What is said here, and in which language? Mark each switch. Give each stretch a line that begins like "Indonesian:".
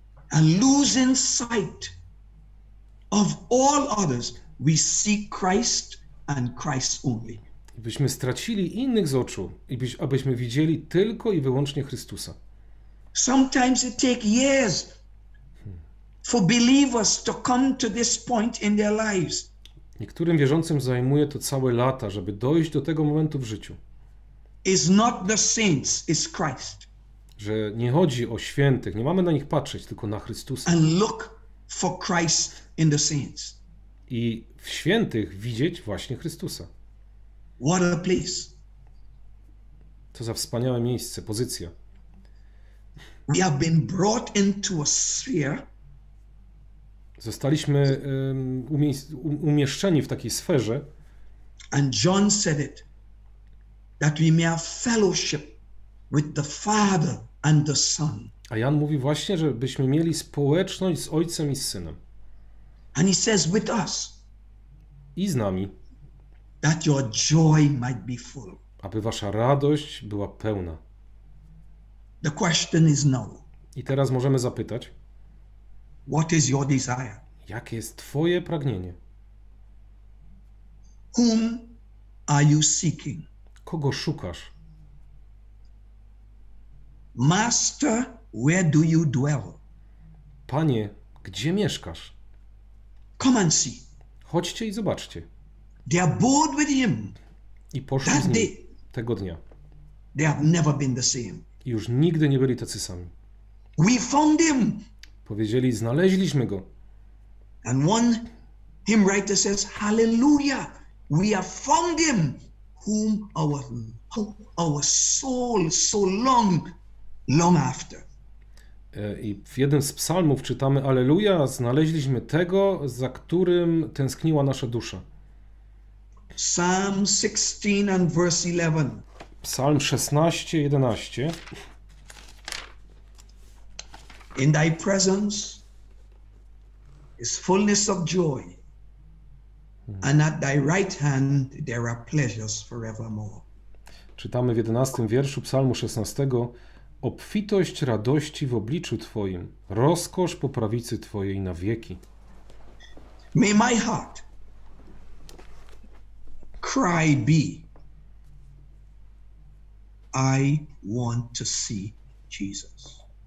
English: And losing sight of all others, we see Christ and Christ only.
Polish: Byśmy stracili innych z oczu, abyśmy widzieli tylko i wyłącznie Chrystusa.
English: Sometimes it takes years for believers to come to this point in their lives.
Polish: Niektórym wierzącym zajmuje to całe lata, żeby dojść do tego momentu w życiu.
English: It's not the saints, it's Christ.
Polish: Że nie chodzi o świętych, nie mamy na nich patrzeć, tylko na Chrystusa.
English: And look for Christ in the saints.
Polish: I w świętych widzieć właśnie Chrystusa.
English: What a place.
Polish: To za wspaniałe miejsce, pozycja.
English: We have been brought into a sphere.
Polish: Zostaliśmy umieszczeni w takiej sferze.
English: And John said it, that we may have fellowship with the Father and the Son.
Polish: A Jan mówi właśnie, żebyśmy mieli społeczność z Ojcem i z Synem.
English: And he says with us.
Polish: I z nami.
English: That your joy might be full.
Polish: Aby wasza radość była pełna.
English: The question is now.
Polish: I teraz możemy zapytać.
English: What is your desire?
Polish: Jakie jest twoje pragnienie?
English: Whom are you seeking?
Polish: Kogo szukasz?
English: Master, where do you dwell?
Polish: Panie, gdzie mieszkasz?
English: Come and see.
Polish: Chodźcie i zobaczcie.
English: They are bored with him.
Polish: I poszli that z nim tego dnia.
English: They have never been the same.
Polish: I już nigdy nie byli tacy sami.
English: We found him.
Polish: Powiedzieli, znaleźliśmy go.
English: And one hymn writer says, hallelujah, we have found him whom our soul so long after.
Polish: I w jednym z psalmów czytamy, aleluja, znaleźliśmy tego, za którym tęskniła nasza dusza.
English: Psalm 16 and verse 11.
Polish: Psalm 16, 11.
English: In thy presence is fullness of joy, and at thy right hand there are pleasures forevermore.
Polish: Czytamy w 11 wierszu Psalmu 16. Obfitość radości w obliczu Twoim, rozkosz po prawicy Twojej na wieki.
English: May my heart cry be, I want to see Jesus.